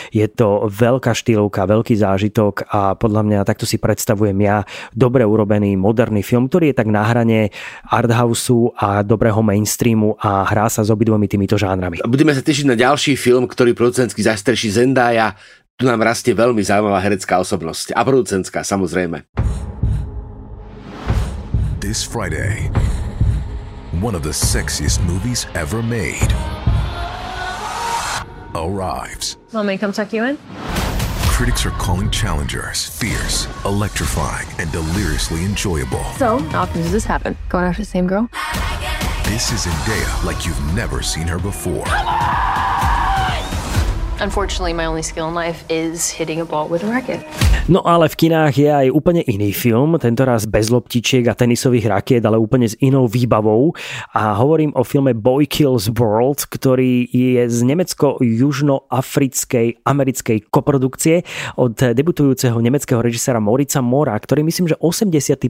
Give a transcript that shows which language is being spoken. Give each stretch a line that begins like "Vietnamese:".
Slovak: Je to veľká štýlovka, veľký zážitok a podľa mňa takto si predstavujem ja dobre urobený moderný film, ktorý je tak na hrane arthouse-u a dobrého mainstreamu a hrá sa s obidvomi týmito žánrami. Budeme sa tešiť na ďalší film, ktorý producentsky zastrší Zendaya. Tu nám rastie veľmi zaujímavá herecká osobnosť a producentská, samozrejme.
English: This Friday, one of the sexiest movies ever made arrives. Mommy, come tuck you in? Critics are calling Challengers fierce, electrifying, and deliriously enjoyable. So, how often does this happen? Going after the same girl? This is Zendaya like you've never seen her before. Unfortunately, my only skill in life is hitting a ball with a racket.
Slovak: No ale v kinách je aj úplne iný film, tentoraz bez loptičiek a tenisových rakiet, ale úplne s inou výbavou. A hovorím o filme Boy Kills World, ktorý je z nemecko-južnoafrickej americkej koprodukcie od debutujúceho nemeckého režisera Morica Mora, ktorý myslím, že 81.